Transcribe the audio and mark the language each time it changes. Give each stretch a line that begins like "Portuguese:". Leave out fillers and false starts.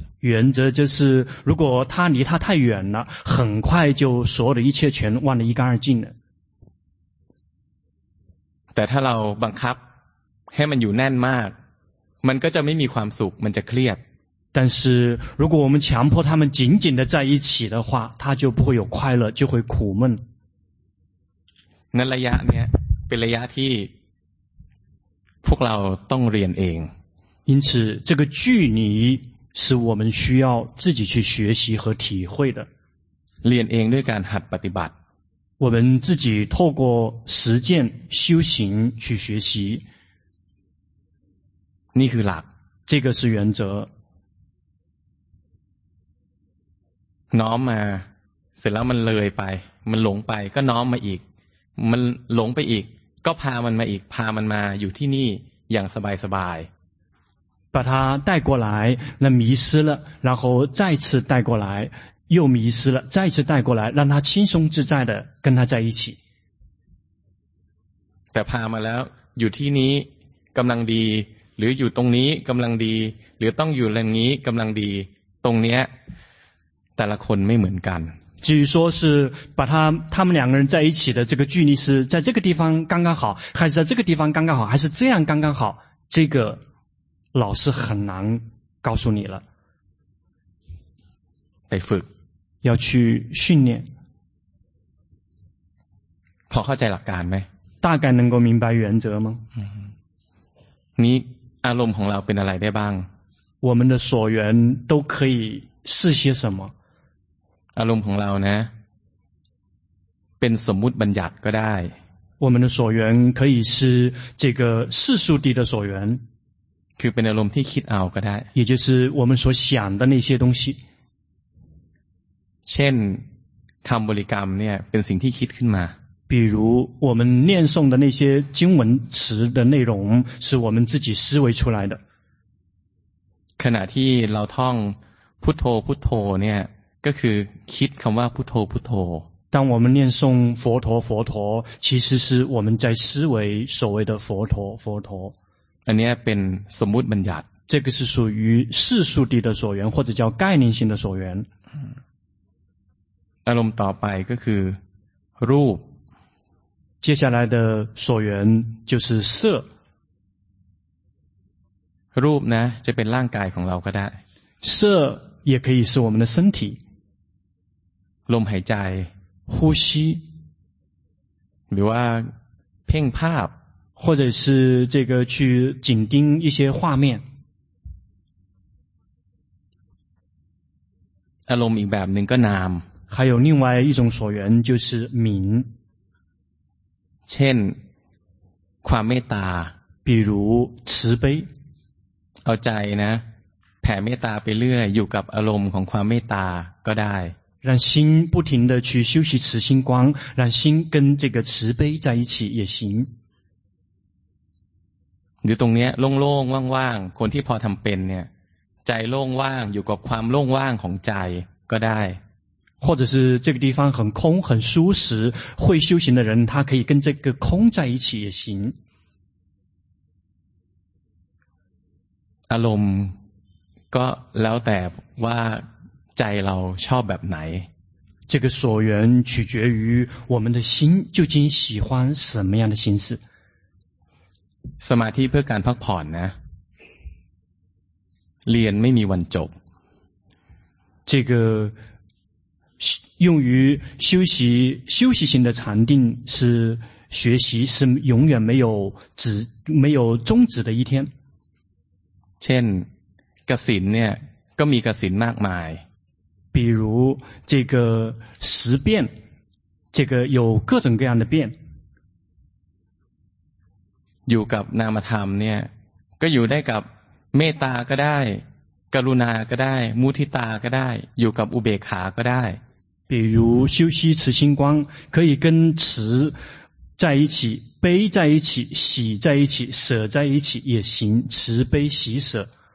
Chinese: 原则就是如果他离他太远了很快就所有的一切全忘得一干二净了
Thai: แต่ถ้าเราบังคับให้มันอยู่แน่นมากมันก็จะไม่มีความสุขมันจะเครียด
Chinese: 但是如果我们强迫他们紧紧的在一起的话他就不会有快乐就会苦闷
Thai: นั้นระยะเนี้ยเป็นระยะที่พวกเราต้องเรียนเอง
Chinese: 因此这个距离是我们需要自己去学习和体会的
Thai: เรียนเองด้วยการหัดปฏิบัติ
Chinese: 我们自己透过实践修行去学习
Thai: นี่คือหลัก
Chinese: 这个是原则
Thai: น้อมมาเสร็จแล้วมันเลยไปมันหลงไปก็น้อมมาอีกมันหลงไปอีกก็พามันมาอีกพามันมาอยู่ที่นี่อย่างสบายสบาย
Chinese: 把它带过来那迷失了然后再次带过来又迷失了再次带过来让它轻松自在的跟它在一起
Thai: แต่พามาแล้วอยู่ที่นี้กำลังดีหรืออยู่ตรงนี้กำลังดีหรือต้องอยู่อย่างนี้กำลังดีตรงเนี้ยแต่ละคนไม่เหมือนกัน จึงว่า
Chinese: 是把他们两个人在一起的这个距离是在这个地方刚刚好还是在这个地方刚刚好还是这样刚刚好这个老师很难告诉你了
Thai: ไปฝึก
Chinese: 要去训练
Thai: พอเข้าใจหลักการไหม
Chinese: 大概能够明白原则吗
Thai: นี้อารมณ์ของเราเป็นอะไรได้บ้าง
Chinese: 我们的所缘都可以是些什么
Thai: อารมณ์ของเรานะเป็นสมมุติบัญญัติก็ได้
Chinese: 我们的所缘可以是这个世俗地的所缘
Thai: คือเป็นอารมณ์ที่คิดเอาก็ได้
Chinese: 也就是我们所想的那些东西
Thai: เช่นคำบริกรรมเนี่ยเป็นสิ่งที่คิดขึ้นมา
Chinese: 比如我们念诵的那些经文词的内容是我们自己思维出来的
Thai: ขณะที่เราท่องพุทโธพุทโธเนี่ยก็คือคิดคำว่าพุทโธพุทโธ
Chinese: 当我们念诵佛陀佛陀其实是我们在思维所谓的佛陀佛陀
Thai: อันนี้เป็นสมมุติบัญญัติ
Chinese: 这个是属于世俗地的所缘或者叫概念性的所缘
Thai: อารมณ์ต่อไปก็คือรูป
Chinese: 接下来的所缘就是色
Thai: รูปนะจะเป็นร่างกายของเราก็ได้
Chinese: 色也可以是我们的身体
Thai: ลมหายใจ
Chinese: 呼吸
Thai: หรือว่าเพ่งภาพ
Chinese: 或者是这个去紧盯一些画面
Thai: อารมณ์อีกแบบนึงก็นาม
Chinese: 还有另外一种所缘就是名
Thai: เช่นความเมตตา
Chinese: 比如慈悲
Thai: เอาใจนะแผ่เมตตาไปเรื่อยอยู่กับอารมณ์ของความเมตตาก็ได้
Chinese: 让心不停的去修习慈心光让心跟这个慈悲在一起也行
Thai: หรือตรงนี้โล่งๆว่างๆคนที่พอทำเป็นเนี่ยใจโล่งว่างอยู่กับความโล่งว่างของใจก็ได้
Chinese: 或者是这个地方很空很舒适，会修行的人他可以跟这个空在一起也行。
Thai: อารมณ์ก็แล้วแต่ว่าใจเราชอบแบบไหน
Chinese: 这个所缘取决于我们的心究竟喜欢什么样的形式。
Thai: สมาธิเพื่อการพักผ่อนนะเรียนไม่มีวันจบ
Chinese: 这个用于休息休息型的禅定是学习是永远没有止没有终止的一天
Thai: เช่นกสิณเนี่ยก็มีกสิณมากมาย
Chinese: 比如这个十变这个有各种各样的变
Thai: อยู่กับนามธรรมเนี่ยก็อยู่ได้กับเมตตาก็ได้กรุณาก็ได้มุทิตาก็ได้อยู่กับอุเบกขาก็ได้
Chinese: 比如修习慈心观可以跟慈在一起悲在一起喜在一起舍在一起也行慈悲喜舍